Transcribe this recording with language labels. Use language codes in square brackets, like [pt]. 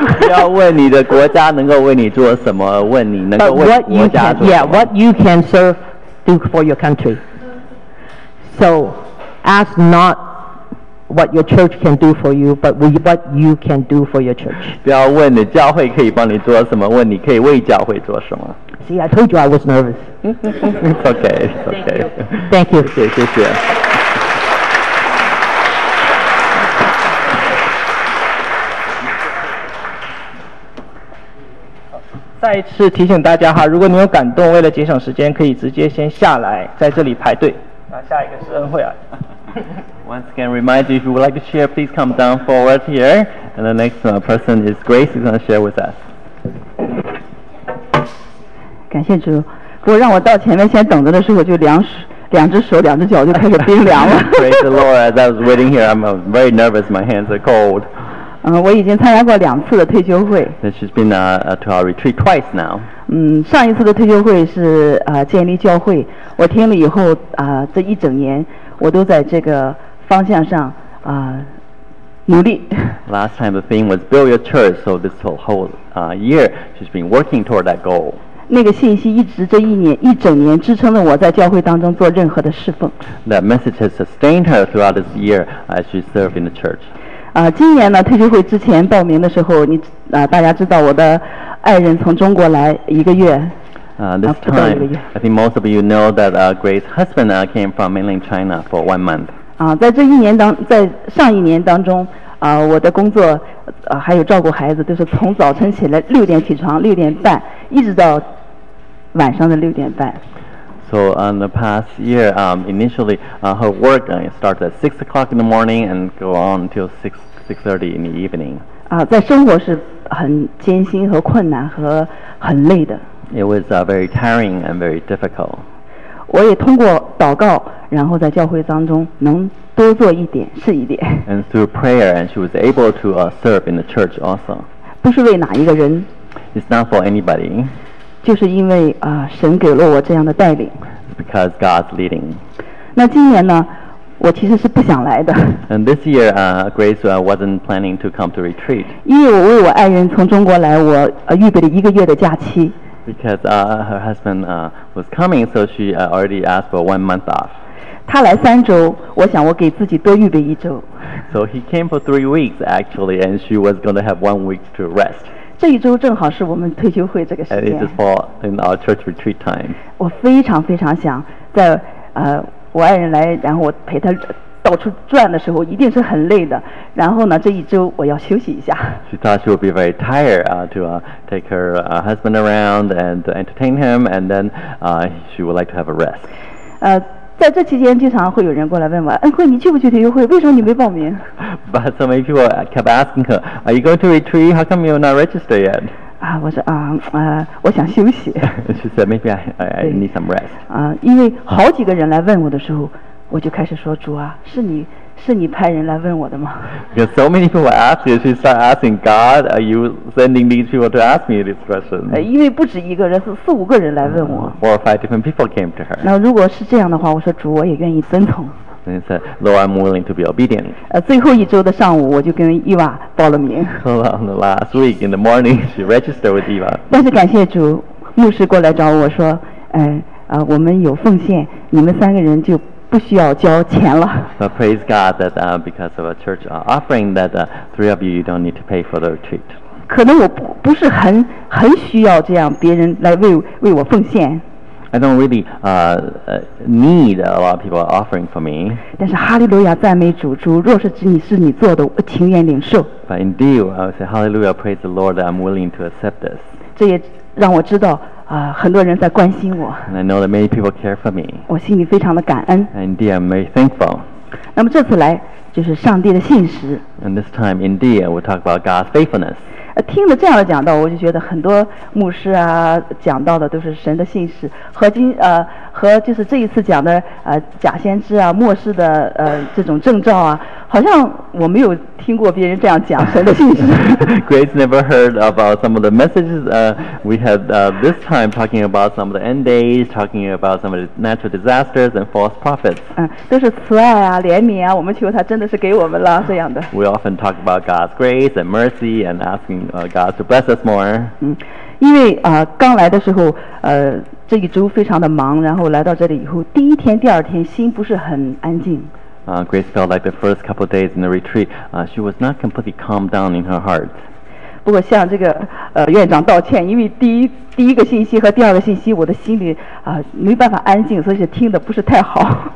[zh] 要问你的国家能够为你做什么，问你能够为国家做什么。 [en] But what you can, yeah, what you can serve do for your country. So... Ask not what your church can do for you, but what you can do for your church. [zh] 不要问你教会可以帮你做什么，问你可以为教会做什么。 [en] See, I told you I was nervous. It's okay, it's okay. Thank you. [zh] 谢谢，谢谢。再一次提醒大家哈，如果你有感动，为了节省时间，可以直接先下来，在这里排队。那下一个是恩惠啊。 [en] Once again, remind you, if you would like to share, please come down forward here. And the next person is Grace, who is going to share with us. [zh] 感谢主。不过让我到前面先等着的时候，就两只手、两只脚就开始冰凉了。 [en] Praise the Lord, as I was waiting here, I'm very nervous, my hands are cold. [zh] 我已经参加过两次的退休会。 [en] She's been to our retreat twice now. [zh] 上一次的退休会是建立教会。我听了以后这一整年我都在这个方向上努力。 [en] Last time the theme was build your church, so this whole year she's been working toward that goal. [zh] 那个信息一直这一年一整年支撑了我在教会当中做任何的侍奉。 [en] That message has sustained her throughout this year as she served in the church. [zh] 今年呢退休会之前报名的时候，你大家知道我的爱人从中国来一个月。 [en] This time, I think most of you know that Grace's husband came from mainland China for 1 month. [zh] 在这一年当，在上一年当中，我的工作，还有照顾孩子，都是从早晨起来六点起床，六点半，一直到晚上的六点半。 [en] So in the past year, initially, her work starts at 6 o'clock in the morning and go on until 6:30 in the evening. [zh] 在生活是很艰辛和困难和很累的。 [en] It was very tiring and very difficult. [zh] 我也通过祷告，然后在教会当中能多做一点是一点。 [en] And through prayer, and she was able to serve in the church also. [zh] 不是为哪一个人。 [en] It's not for anybody. [zh] 就是因为神给了我这样的带领。 [en] Because God's leading. [zh] 那今年呢，我其实是不想来的。 [en] And this year, Grace wasn't planning to come to retreat. [zh] 因为我为我爱人从中国来，我预备了一个月的假期。 [en] Because her husband was coming, so she already asked for 1 month off. [zh] 他来三周，我想我给自己多预备一周。 [en] So he came for 3 weeks, actually, and she was going to have 1 week to rest. [zh] 这一周正好是我们退休会这个时间。 [en] It is for in our church retreat time. [zh] 我非常非常想在我爱人来，然后我陪他到处转的时候，一定是很累的。然后呢，这一周我要休息一下。 [en] She thought she would be very tired to take her husband around and entertain him, and then she would like to have a rest. [zh] 在这期间经常会有人过来问我，恩惠你去不去退休会，为什么你没报名？ [en] But so many people kept asking her, are you going to retreat? How come you're not registered yet? [zh] 我说我想休息。 [en] She said, maybe I need some rest. [zh] 因为好几个人来问我的时候，我就开始说，主啊，是你派人来问我的吗？ [en] Because so many people ask you, she started asking God, are you sending these people to ask me this question? [zh] 因为不止一个人，是四五个人来问我。 [en] Four or five different people came to her. [zh] 那如果是这样的话，我说主，我也愿意遵从。 [en] And he said, Lord, I'm willing to be obedient. [zh] 最后一周的上午，我就跟伊娃报了名。 [en] On the last week in the morning, she registered with Eva. [zh] 但是感谢主，牧师过来找我说，我们有奉献，你们三个人就不需要交钱了。 [en] But praise God that because of a church offering that three of you don't need to pay for the retreat. [zh] 可能我不是很需要这样别人来为我奉献。 [en] I don't really need a lot of people offering for me. [zh] 但是哈利路亚赞美主，主若是指你是你做的，我情愿领受。 [en] But indeed, I would say hallelujah, praise the Lord, I'm willing to accept this. [zh] 这也让我知道很多人在关心我。 [en] I know that many people care for me. [zh] 我心里非常的感恩。 [en] Indeed, I'm very thankful. [zh] 那么这次来就是上帝的信实。 [en] And this time, indeed, we'll talk about God's faithfulness. [zh] 听了这样的讲道，我就觉得很多牧师啊讲到的都是神的信实，和就是这一次讲的假先知啊末世的这种征兆啊，好像我没有听过别人这样讲神的信实。 [en] Grace never heard about some of the messages we had this time talking about some of the end days, talking about some of the natural disasters and false prophets. [zh] 都是慈爱啊怜悯啊，我们求他真的是给我们了这样的。 [en] We often talk about God's grace and mercy and asking God to bless us more. [zh] 因为刚来的时候这一周非常的忙，然后来到这里以后，第一天、第二天心不是很安静。 [en] Grace felt like the first couple of days in the retreat, she was not completely calmed down in her heart. [zh] 不过向这个院长道歉，因为第一个信息和第二个信息，我的心里没办法安静，所以听的不是太好。